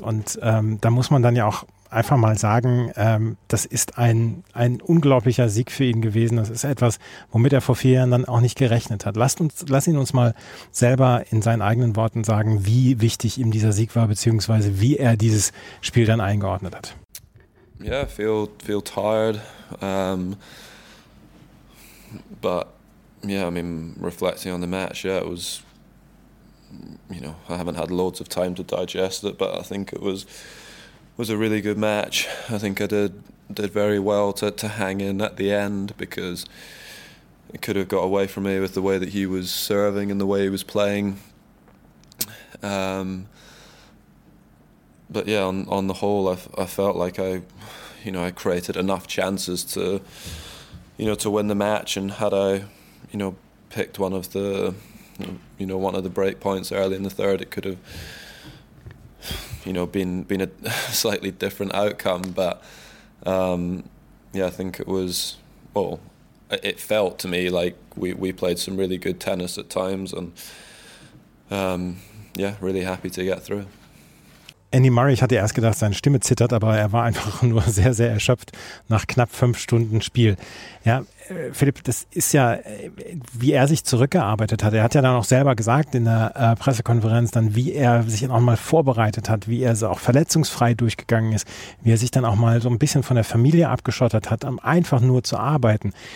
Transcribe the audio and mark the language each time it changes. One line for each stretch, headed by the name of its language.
German: Und da muss man dann ja auch einfach mal sagen, das ist ein unglaublicher Sieg für ihn gewesen. Das ist etwas, womit er vor 4 Jahren dann auch nicht gerechnet hat. Lass ihn uns mal selber in seinen eigenen Worten sagen, wie wichtig ihm dieser Sieg war, beziehungsweise wie er dieses Spiel dann eingeordnet hat.
English: Yeah, feel tired. But yeah, I mean, reflecting on the match, yeah, it was. You know, I haven't had loads of time to digest it, but I think it was a really good match. I think I did very well to hang in at the end, because it could have got away from me with the way that he was serving and the way he was playing. But yeah, on the whole, I felt like I created enough chances to win the match, and had I picked one of the one of the break points early in the third, it could have, been a slightly different outcome. But I think it was, well, it felt to me like we played some really good tennis at times, and really happy to get through.
German: Andy Murray, ich hatte erst gedacht, seine Stimme zittert, aber er war einfach nur sehr, sehr erschöpft nach knapp 5 Stunden Spiel. Ja, Philipp, das ist ja, wie er sich zurückgearbeitet hat. Er hat ja dann auch selber gesagt in der Pressekonferenz dann, wie er sich dann auch mal vorbereitet hat, wie er so auch verletzungsfrei durchgegangen ist, wie er sich dann auch mal so ein bisschen von der Familie abgeschottet hat, um einfach nur zu arbeiten.